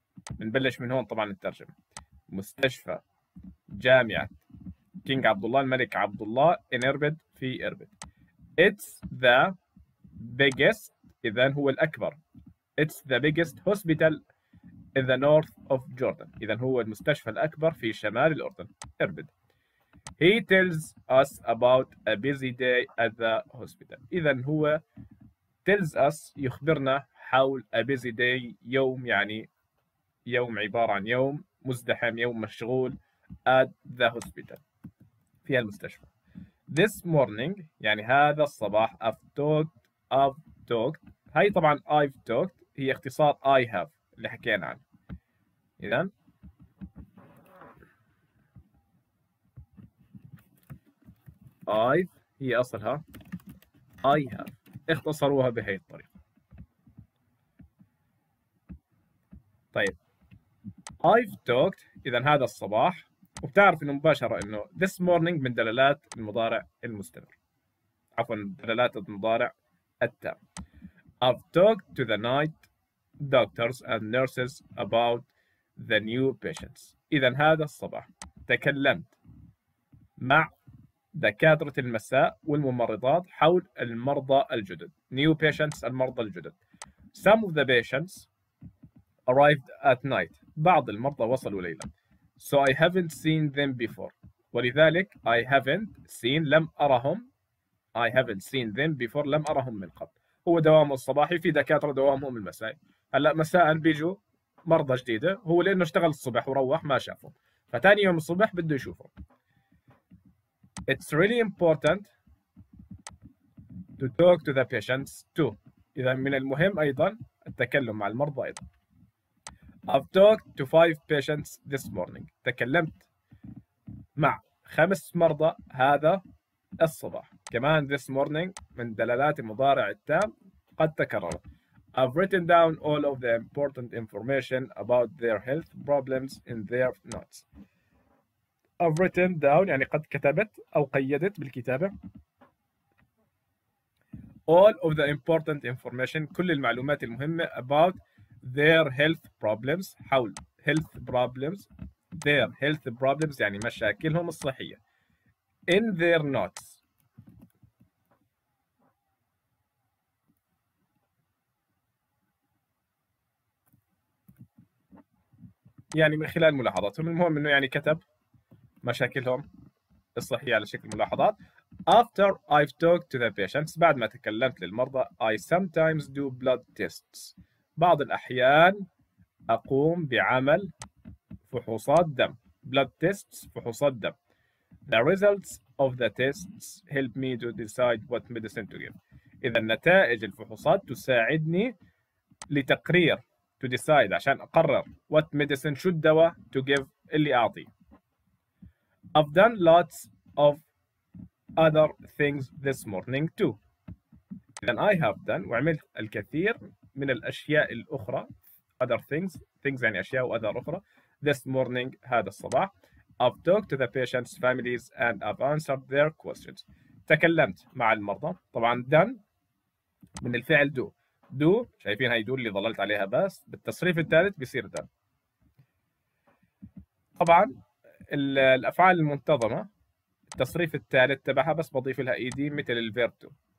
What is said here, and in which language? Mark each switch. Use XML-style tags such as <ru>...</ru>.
<ar>بنبلش من هون طبعا الترجمة. مستشفى جامعة King Abdullah الملك عبد الله</ar> <en>in Erbil</en> <ar>في Erbil.</ar> <en>It's the biggest.</en> <ar>إذا هو الأكبر.</ar> <en>It's the biggest hospital in the north of Jordan.</en> <ar>إذا هو المستشفى الأكبر في شمال الأردن. إربد.</ar> <en>He tells us about a busy day at the hospital.</en> <ar>إذا هو</ar> <en>tells us</en> <ar>يخبرنا حول</ar> <en>a busy day.</en> <ar>يوم يعني يوم عبارة عن يوم مزدحم يوم مشغول</ar> <en>at the hospital</en> <ar>في المستشفى.</ar> <en>This morning</en> <ar>يعني هذا الصباح</ar> <en>I've talked.</en> <ar>هاي طبعا</ar> <en>I've talked</en> <ar>هي اختصار</ar> <en>I have</en> <ar>اللي حكينا عنه. إذن I هي أصلها</ar> <en>I have</en> <ar>اختصروها بهذه الطريقة. طيب</ar> <en>I've talked</en> <ar>إذن هذا الصباح وبتعرف إنه مباشرة إنه</ar> <en>this morning</en> <ar>من دلالات المضارع المستمر عفوا دلالات المضارع التام.</ar> <en>I've talked to the night doctors and nurses about the new patients.</en> <ar>إذا هذا الصباح تكلمت مع دكاترة المساء والممرضات حول المرضى الجدد.</ar> <en>New patients</en> <ar>المرضى الجدد.</ar> <en>Some of the patients arrived at night.</en> <ar>بعض المرضى وصلوا ليلا.</ar> <en>So I haven't seen them before.</en> <ar>ولذلك</ar> <en>I haven't seen</en> <ar>لم أرهم.</ar> <en>I haven't seen them before</en> <ar>لم أرهم من قبل. هو دوام الصباحي في دكاترة دوامهم المساء. هلا مساء بيجوا مرضى جديدة هو لأنه اشتغل الصبح وروح ما شافه فتاني يوم الصبح بده يشوفه.</ar> <en>It's really important to talk to the patients too.</en> <ar>إذا من المهم أيضا التكلم مع المرضى أيضا.</ar> <en>I've talked to 5 patients this morning.</en> <ar>تكلمت مع 5 مرضى هذا الصباح. كمان</ar> <en>this morning</en> <ar>من دلالات المضارع التام قد تكررت.</ar> <en>I've written down all of the important information about their health problems in their notes. I've written down</en> <ar>يعني قد كتبت أو قيدت بالكتابة</ar> <en>all of the important information</en> <ar>كل المعلومات المهمة</ar> <en>about their health problems</en> <ar>حول</ar> <en>health problems their health problems</en> <ar>يعني مشاكلهم الصحية</ar> <en>in their notes.</en> <ar>يعني من خلال ملاحظاتهم. المهم انه يعني كتب مشاكلهم الصحيه على شكل ملاحظات.</ar> <en>After I've talked to the patients</en> <ar>بعد ما تكلمت للمرضى</ar> <en>I sometimes do blood tests</en> <ar>بعض الاحيان اقوم بعمل فحوصات دم.</ar> <en>Blood tests</en> <ar>فحوصات دم.</ar> <en>The results of the tests help me to decide what medicine to give.</en> <ar>اذا نتائج الفحوصات تساعدني لتقرير</ar> <en>to decide</en> <ar>عشان أقرر</ar> <en>what medicine</en> <ar>شو الدواء</ar> <en>to give</en> <ar>اللي أعطي.</ar> <en>I've done lots of other things this morning too. Then I have done</en> <ar>وعملت الكثير من الأشياء الأخرى</ar> <en>other things things</en> <ar>يعني أشياء وأذر أخرى</ar> <en>this morning</en> <ar>هذا الصباح.</ar> <en>I've talked to the patients families and I've answered their questions.</en> <ar>تكلمت مع المرضى طبعا done من الفعل do. Do شايفين هاي دول اللي ظللت عليها بس بالتصريف الثالث بيصير done. طبعا الافعال المنتظمه التصريف الثالث تبعها بس بضيف لها ايدي مثل الفيرب تو.</ar>